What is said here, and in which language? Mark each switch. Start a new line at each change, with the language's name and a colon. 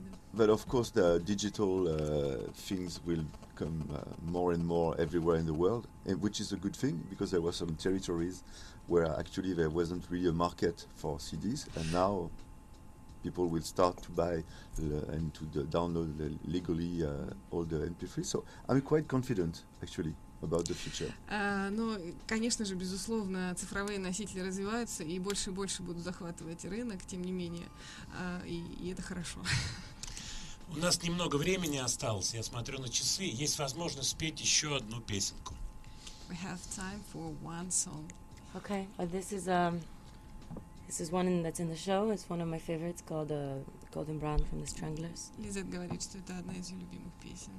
English: But of course the digital things will come more and more everywhere in the world, and which is a good thing, because there were some territories where actually there wasn't really a market for CDs, and now people will start to buy and to download legally all the MP3. So I'm quite confident, actually, about the future.
Russian: Ну, конечно же, безусловно, цифровые носители развиваются и больше будут захватывать рынок, тем не менее, и это хорошо. У нас немного времени осталось, я смотрю на часы, есть возможность спеть еще одну песенку.
English: We have time for one song. Okay, well, this is one that's in the show. It's one of my favorites, called Golden Brown from the Stranglers.
Russian: Лизет говорит, что это одна из ее любимых песен.